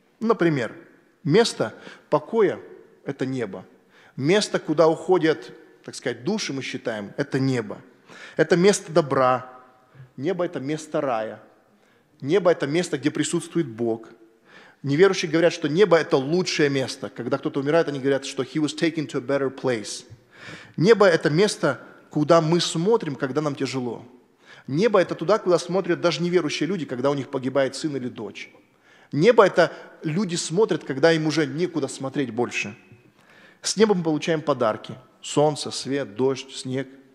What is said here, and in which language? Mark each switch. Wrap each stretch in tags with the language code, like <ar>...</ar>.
<ru>Например, место покоя – это небо. Место, куда уходят, так сказать, души, мы считаем, это небо. Это место добра. Небо – это место рая. Небо – это место, где присутствует Бог. Неверующие говорят, что небо – это лучшее место. Когда кто-то умирает, они говорят, что</ru> <en>he was taken to a better place.</en> <ru>Небо – это место, куда мы смотрим, когда нам тяжело. Небо – это туда, куда смотрят даже неверующие люди, когда у них погибает сын или дочь. Небо – это люди смотрят, когда им уже некуда смотреть больше. С небом мы получаем подарки. Солнце, свет, дождь, снег.</ru>